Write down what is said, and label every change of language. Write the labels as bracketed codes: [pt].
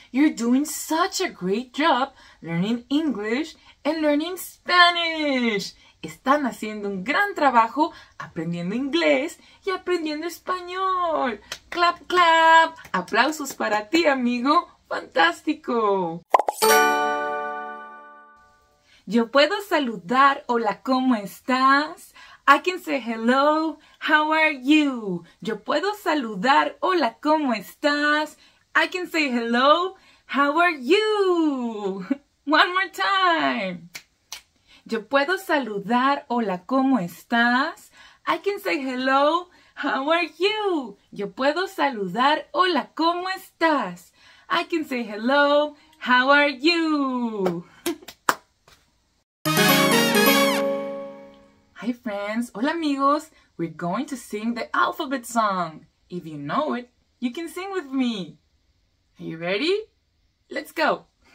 [en] You're doing such a great job learning English and learning Spanish! [es] Están haciendo un gran trabajo aprendiendo inglés y aprendiendo español! ¡Clap, clap! ¡Aplausos para ti, amigo! ¡Fantástico! Yo puedo saludar. Hola, ¿cómo estás? [en] I can say hello, how are you? [es] Yo puedo saludar, hola, ¿cómo estás? [en] I can say hello, how are you? One more time. [es] Yo puedo saludar, hola, ¿cómo estás? [en] I can say hello, how are you? [es] Yo puedo saludar, hola, ¿cómo estás? [en] I can say hello, how are you? Hi friends, [es] hola amigos, [en] we're going to sing the alphabet song. If you know it, you can sing with me. Are you ready? Let's go.